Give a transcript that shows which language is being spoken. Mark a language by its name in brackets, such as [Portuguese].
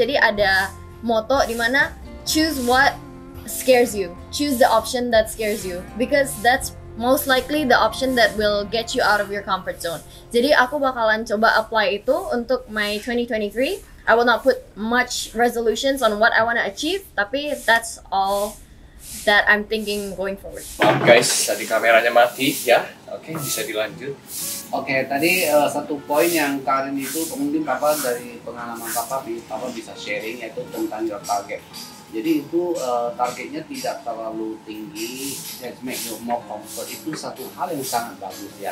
[Indonesian] Jadi ada motto di mana [English] choose what scares you, choose the option that scares you, because that's most likely the option that will get you out of your comfort zone. [Indonesian] Jadi aku bakalan coba apply itu untuk [English] my 2023. I will not put much resolutions on what I want to achieve, [Indonesian] tapi [English] that's all that I'm thinking going forward. [Indonesian] Maaf guys, tadi kameranya mati ya. Oke, bisa dilanjut. Oke, tadi satu poin yang Karin itu mungkin papa dari pengalaman papa bisa sharing, yaitu tentang [English] your target. [Indonesian] Jadi itu targetnya tidak terlalu tinggi, [English] that make you more comfort, [Indonesian] itu satu hal yang sangat bagus ya.